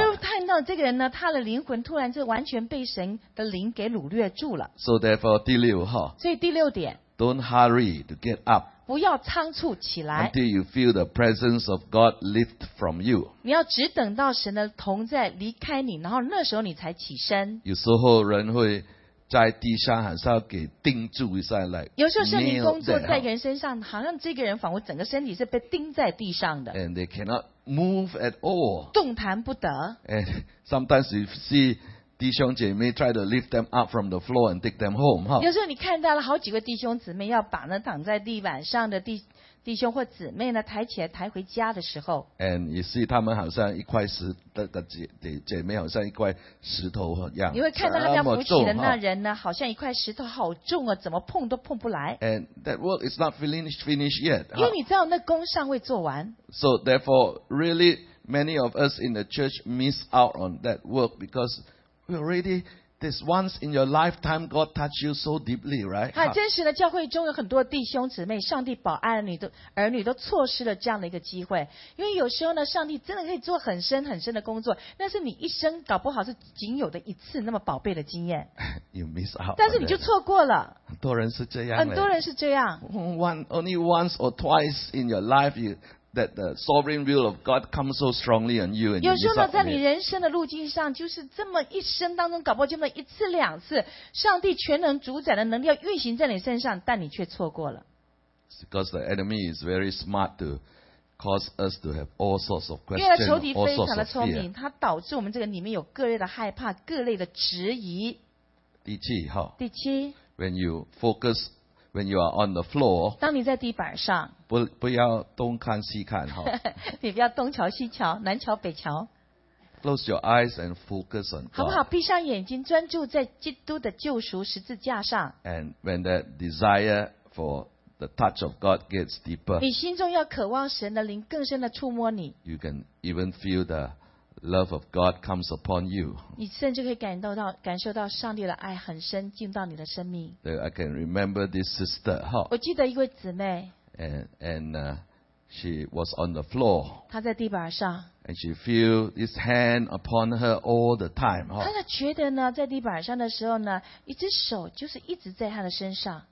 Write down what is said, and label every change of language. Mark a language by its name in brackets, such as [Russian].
[Chinese] 因为看到这个人呢，他的灵魂突然就完全被神的灵给掳掠住了。 [English] So therefore, [Chinese] 第六哈。所以第六点。 [English] Don't hurry to get up. [Chinese] 不要仓促起来。 [English] Until you feel the presence of God lift from you. [Chinese] 你要只等到神的同在离开你，然后那时候你才起身。有时候人会。在地上好像给钉住一下，来。有时候圣灵工作在人身上，好像这个人仿佛整个身体是被钉在地上的。 [English] And they cannot move at all. [Chinese] 动弹不得。 [English] And sometimes you see [Chinese] 弟兄姐妹 [English] try to lift them up from the floor and take them home. [Chinese] 有时候你看到了好几个弟兄姊妹要把那躺在地板上的弟兄或姊妹呢抬起来抬回家的时候。 [English] And you see [Chinese] 他们好像一块石的姐妹好像一块石头一样。你会看到他们要扶起的那人呢好像一块石头好重啊，怎么碰都碰不来。 [English] And that work is not finished yet. [Chinese] 因为你知道那工尚未做完。 [English] So therefore, really, many of us in the church miss out on that work because we already,this once in your lifetime, God touched you so deeply, right? [Chinese] 真实的教会中有很多弟兄姊妹，上帝保爱你的儿女都错失了这样的一个机会。因为有时候呢，上帝真的可以做很深很深的工作，但是你一生搞不好是仅有的一次那么宝贝的经验。 [English] You miss out. [Chinese] 但是你就错过了。很多人是这样。很多人是这样。 [English] Only once or twice in your life, that the sovereign will of God comes so strongly on you. And [Chinese] 有时候呢，在你人生的路径上，就是这么一生当中，搞不好就那一次两次，上帝全能主宰的能力要运行在你身上，但你却错过了。 [English] Because the enemy is very smart to cause us to have all sorts of questions. [Chinese] 因为仇敌非常的聪明，他导致我们这个里面有各类的害怕，各类的质疑。第七。 [English] When you focus. When you are on the floor, [Chinese] 当你在地板上，不要东看西看哈，你不要东瞧西瞧，南瞧北瞧。 [English] Close your eyes and focus on God. [Chinese] 好不好？闭上眼睛，专注在基督的救赎十字架上。 [English] And when that desire for the touch of God gets deeper, [Chinese] 你心中要渴望神的灵更深的触摸你。 [English] You can even feel the love of God comes upon you. [Chinese] 你甚至可以感受到上帝的爱很深进到你的生命。 [English] I can remember this sister. [Chinese] 我记得一位姊妹。 [English] And she was on the floor. [Chinese] 她在地板上。 [English] And she feel this hand upon her all the time. [Chinese] 她觉得呢，在地板上的时候呢，一只手就是一直在她的身上。